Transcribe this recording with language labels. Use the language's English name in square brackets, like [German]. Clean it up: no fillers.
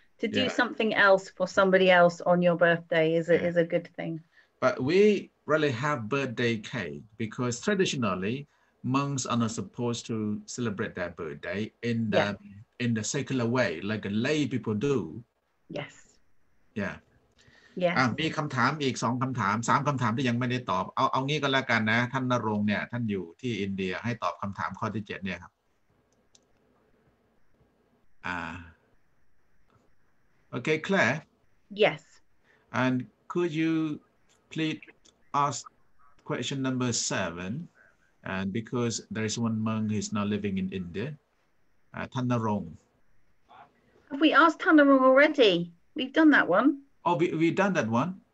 [English] To do something else for somebody else on your birthday is a good thing. But we really have birthday cake because traditionally, monks are not supposed to celebrate their birthday in the secular way, like lay people do. Yes. Yeah. Yeah. [Thai] มีคำถามอีก2คำถาม3คำถามที่ยังไม่ได้ตอบเอางี้ก็แล้วกันนะท่านณรงค์เนี่ยท่านอยู่ที่อินเดียให้ตอบคำถามข้อที่7เนี่ยครับ [English] Okay, Claire. Yes. And could you please ask question number 7? And because there is one monk who is now living in India, Thanarong. Have we asked Thanarong already? We've done that one. Oh, we've done that one?